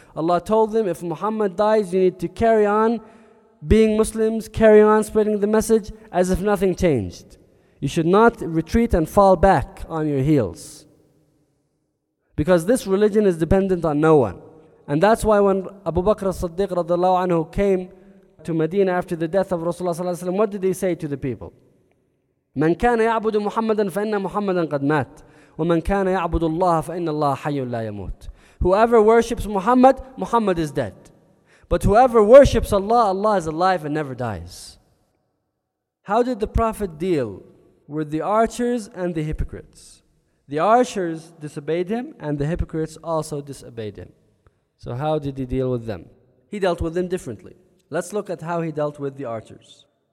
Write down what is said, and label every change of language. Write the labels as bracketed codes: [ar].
[en] Allah told them, if Muhammad dies, you need to carry on being Muslims, carry on spreading the message as if nothing changed. You should not retreat and fall back on your heels. Because this religion is dependent on no one. And that's why when Abu Bakr as-Siddiq radiallahu anhu came to Medina after the death of Rasulullah sallallahu alaihi wasallam, what did he say to the people? [ar] مَنْ كَانَ يَعْبُدُ مُحَمَّدًا فَإِنَّ مُحَمَّدًا قَدْ مَاتْ وَمَنْ كَانَ يَعْبُدُ اللَّهَ فَإِنَّ اللَّهَ حَيٌّ لَا يَمُوتُ [en] Whoever worships Muhammad, Muhammad is dead. But whoever worships Allah, Allah is alive and never dies. How did the Prophet deal with the archers and the hypocrites? The archers disobeyed him and the hypocrites also disobeyed him. So how did he deal with them? He dealt with them differently. Let's look at how he dealt with the archers.